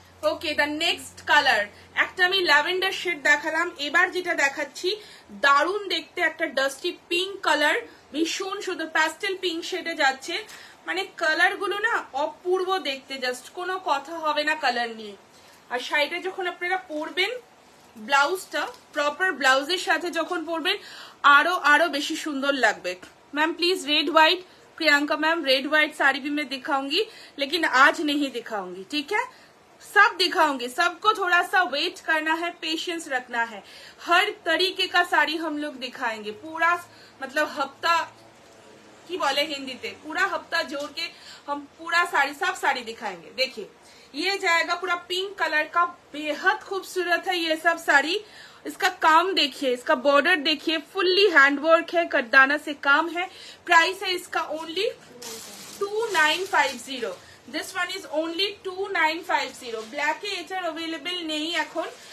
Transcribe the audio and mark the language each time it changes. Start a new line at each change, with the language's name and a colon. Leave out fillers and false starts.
Bangla: Okay the next colour, একটা আমি lavender shade দেখালাম, এবার যেটা দেখাচ্ছি দারুণ দেখতে একটা ডাস্টি পিঙ্ক কালার, ভীষণ সুন্দর প্যাস্টেল পিঙ্ক শেডে যাচ্ছে, মানে কালার গুলো না অপূর্ব দেখতে, জাস্ট কোনো কথা হবে না কালার নিয়ে। আর শাড়িটা যখন আপনারা পরবেন, ব্লাউজটা প্রপার ব্লাউজের সাথে যখন পরবেন আরো আরো বেশি সুন্দর লাগবে।
Hindi: Ma'am please red white, Priyanka ma'am red white sari भी मैं दिखाऊंगी, लेकिन आज नहीं दिखाऊंगी, ठीक है, सब दिखाऊंगी, सबको थोड़ा सा वेट करना है, पेशेंस रखना है, हर तरीके का साड़ी हम लोग दिखाएंगे, पूरा मतलब हफ्ता
Bangla: की बोले हिंदी ते,
Hindi: पूरा हफ्ता जोड़ के हम पूरा साड़ी, सब साड़ी दिखाएंगे। देखिए ये जाएगा पूरा पिंक कलर का, बेहद खूबसूरत है ये सब साड़ी, इसका काम देखिए, इसका बॉर्डर देखिए, फुल्ली हैंडवर्क है, करदाना से काम है, प्राइस है इसका only 2950, this one is only 2950, black एचर available नहीं अखन,